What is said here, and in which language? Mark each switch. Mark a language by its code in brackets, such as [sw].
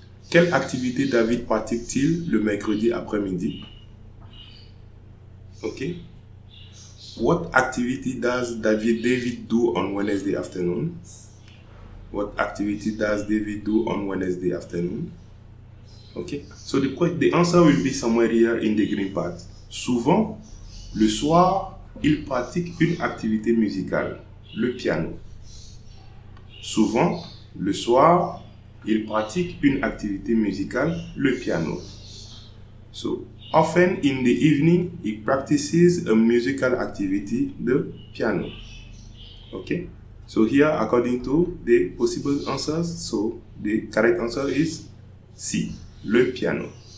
[fr] Quelle activité David pratique-t-il le mercredi après-midi? [en] Okay. What activity does David do on Wednesday afternoon? What activity does David do on Wednesday afternoon? Okay. So the answer will be somewhere here in the green part. [fr] Souvent, le soir, il pratique une activité musicale, le piano. [en] So often in the evening, he practices a musical activity, the piano. Okay? So here, according to the possible answers, so the correct answer is C, le piano.